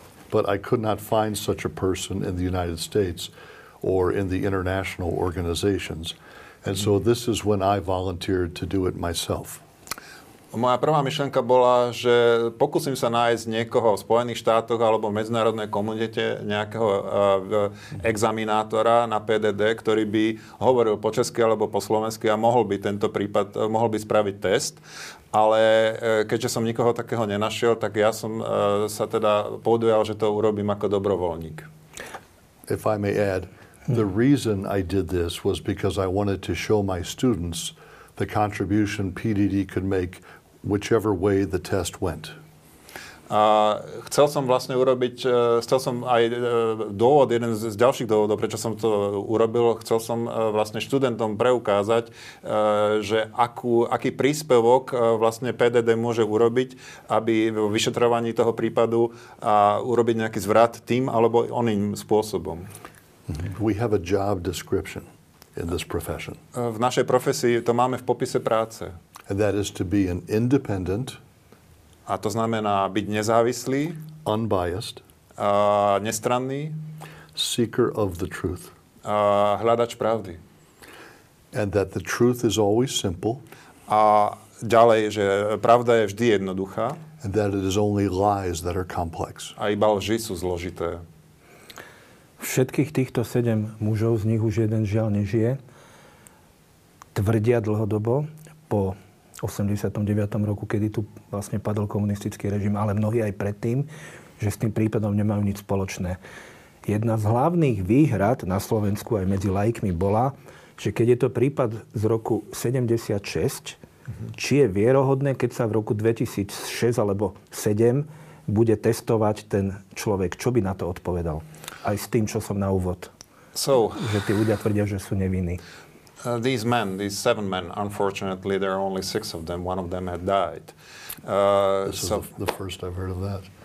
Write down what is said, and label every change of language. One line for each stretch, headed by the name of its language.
English: But I could not find such a person in the United States or in the international organizations. And so this is when I volunteered to do it myself.
Slovak: Moja prvá myšlienka bola, že pokúsim sa nájsť niekoho v Spojených štátoch alebo v medzinárodnej komunite, nejakého examinátora na PDD, ktorý by hovoril po česky alebo po slovensky a mohol by tento prípad, mohol by spraviť test. Ale keďže som nikoho takého nenašiel, tak ja som sa teda poudujal, že to urobím ako dobrovoľník.
English: If I may add, the reason I did this was because I wanted to show my students the contribution PDD could make whichever way the test went.
Slovak: Chcel som vlastne urobiť, chcel som aj dôvod, jeden z ďalších dôvodov, prečo som to urobil, chcel som vlastne študentom preukázať, že aký príspevok vlastne PDD môže urobiť, aby vo vyšetrovaní toho prípadu a urobiť nejaký zvrat tým alebo oným spôsobom.
English: We have a job description in this profession.
Slovak: V našej profesii to máme v popise práce.
English: And that is to be an independent.
Slovak: A to znamená byť nezávislý.
English: Unbiased.
Slovak: Nestranný.
English: Seeker of the truth.
Slovak: Hľadač pravdy.
English: And that the truth is always simple.
Slovak: A ďalej, že pravda je vždy jednoduchá.
English: And that it is only lies that are complex.
Slovak: A iba lži sú zložité. Všetkých týchto 7 mužov, z nich už jeden žiaľ nežije, tvrdia dlhodobo po 89. roku, kedy tu vlastne padol komunistický režim, ale mnohí aj predtým, že s tým prípadom nemajú nič spoločné. Jedna z hlavných výhrad na Slovensku aj medzi laikmi bola, že keď je to prípad z roku 76, či je vierohodné, keď sa v roku 2006 alebo 7 bude testovať ten človek. Čo by na to odpovedal? Aj s tým, čo som na úvod.
English: So,
Slovak: že tí ľudia tvrdia, že sú nevinní.
English: These men, these 7 men, unfortunately, there are only 6 of them. One of them had died. The first I've heard of that.